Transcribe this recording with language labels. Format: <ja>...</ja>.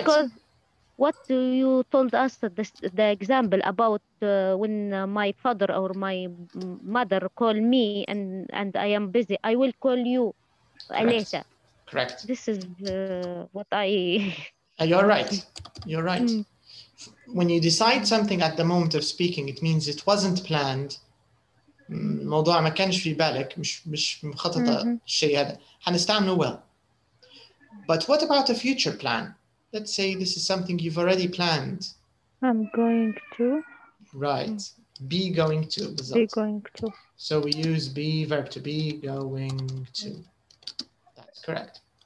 <en>Because what you told us, the example about when my father or my mother call me and I am busy, I will call you later. Correct. This is what I... You're right. When you decide something at the moment of speaking, it means it wasn't planned.</en> <ar>الموضوع ما كانش في بالك, مش مخطط الشيء هذا. هنستعمله</ar> <en>well. But what about a future plan? Let's say this is something you've already planned. I'm going to. Right. Be going to. Result. Be going to. So we use be, verb to be, going to. That's correct.</en>